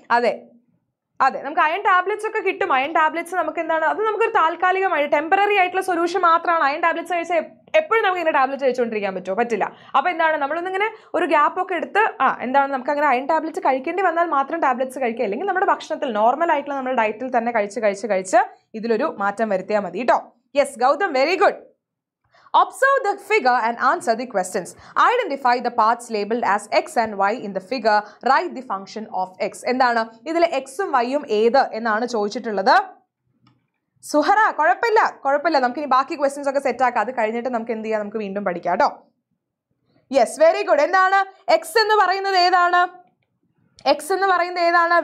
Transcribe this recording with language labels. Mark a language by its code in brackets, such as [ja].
[ml] അതെ അതെ, നമുക്ക് അയൺ ടാബ്ലറ്റ്സ് ഒക്കെ കിട്ടും. അയൺ ടാബ്ലറ്റ്സ് നമുക്ക് എന്താണ്, അത് നമുക്കൊരു താൽക്കാലികമായിട്ട് ടെമ്പററി ആയിട്ടുള്ള സൊല്യൂഷൻ മാത്രമാണ്. അയൺ ടാബ്ലറ്റ്സ് കഴിച്ച എപ്പോഴും നമുക്ക് ഇങ്ങനെ ടാബ്ലറ്റ് കഴിച്ചുകൊണ്ടിരിക്കാൻ പറ്റില്ല. അപ്പം എന്താണ്, നമ്മളൊന്നിങ്ങനെ ഒരു ഗ്യാപ്പൊക്കെ എടുത്ത് എന്താണ് നമുക്കങ്ങനെ അയൺ ടാബ്ലറ്റ് കഴിക്കേണ്ടി വന്നാൽ മാത്രം ടാബ്ലറ്റ്സ് കഴിക്കുക, അല്ലെങ്കിൽ നമ്മുടെ ഭക്ഷണത്തിൽ നോർമൽ ആയിട്ടുള്ള നമ്മുടെ ഡയറ്റിൽ തന്നെ കഴിച്ച് ഇതിലൊരു മാറ്റം വരുത്തിയാൽ മതി കേട്ടോ. [en] Yes Gautam, very good. Observe the figure and answer the questions. Identify the parts labeled as X and Y in the figure. Write the function of X. [ml] എന്താണ് ഇതിലെ എക്സും വൈയും ഏത് എന്നാണ് ചോദിച്ചിട്ടുള്ളത്. സുഹറ, കുഴപ്പമില്ല കുഴപ്പമില്ല, നമുക്കിനി ബാക്കി ക്വസ്റ്റ്യൻസ് ഒക്കെ സെറ്റ് ആക്കാം, അത് കഴിഞ്ഞിട്ട് നമുക്ക് എന്ത് ചെയ്യാം, നമുക്ക് വീണ്ടും പഠിക്കാം കേട്ടോ. [en] Yes very good. [ml] എന്താണ് എക്സ് എന്ന് പറയുന്നത് ഏതാണ്, എക്സ് എന്ന് പറയുന്നത് ഏതാണ്?